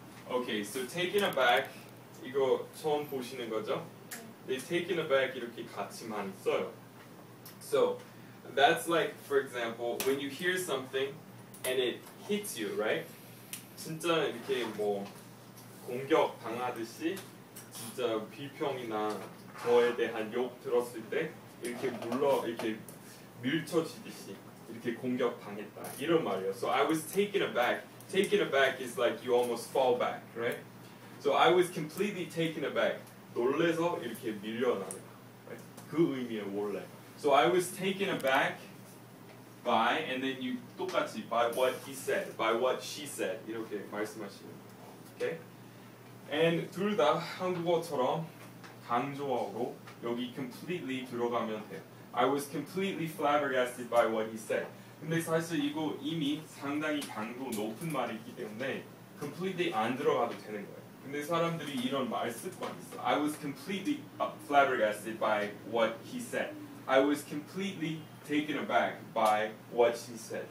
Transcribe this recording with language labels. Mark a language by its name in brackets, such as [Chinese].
[English] Okay, so taken aback, [Korean] 이거 처음 보시는 거죠? 네, taken aback 이렇게 같이 많이 써요. [English] So that's like, for example, when you hear something and it hits you, right? [Korean] 진짜 이렇게 뭐 공격 당하듯이 진짜 비평이나 저에 대한 욕 들었을 때 이렇게 물러 이렇게 밀쳐지듯이 이렇게 공격 당했다 이런 말이에요. [English] So I was taken aback. Taken aback is like you almost fall back, right? So I was completely taken aback. [Korean] 놀래서 이렇게 밀려나는 [English] right? [Korean] 그 의미의 원래. [English] So I was taken aback. By, and then you [Korean] 똑같이, [English] by what he said, by what she said, [Korean] 이렇게 말씀하시는 [English] okay? [Korean] And 둘 다 한국어처럼 강조어로 여기 completely 들어가면 돼요. [English] I was completely flabbergasted by what he said. [Korean] 근데 사실 이거 이미 상당히 강도 높은 말이기 때문에 completely 안 들어가도 되는 거예요. 근데 사람들이 이런 말 습관이 있어. [English] I was completely flabbergasted by what he said. I was completely taken aback by what she said.